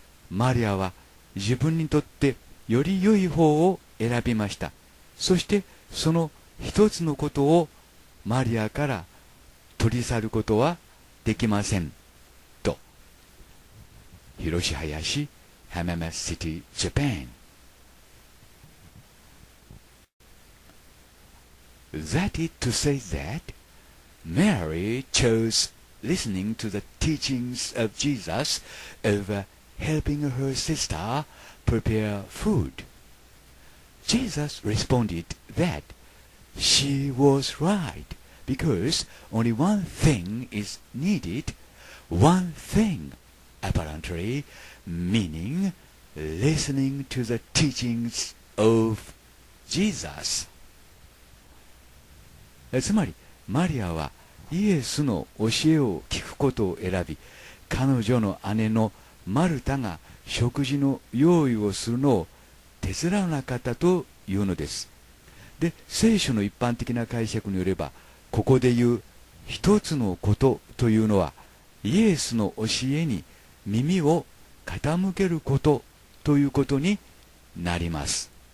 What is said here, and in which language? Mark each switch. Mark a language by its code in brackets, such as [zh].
[ja] マリアは自分にとってより良い方を選びました。そしてその一つのことをマリアから取り去ることはできませんと。広志林、浜松シティ、ジャパン。 [en] That is to say that Mary chose listening to the teachings of Jesus over helping her sister prepare food. Jesus responded that she was rightBecause only one thing is needed, one thing, apparently, meaning listening to the teachings of Jesus. [ja] つまりマリアはイエスの教えを聞くことを選び、彼女の姉のマルタが食事の用意をするのを手伝わなかったというのです。で、聖書の一般的な解釈によれば、ここで言う一つのことというのはイエスの教えに耳を傾けることということになります。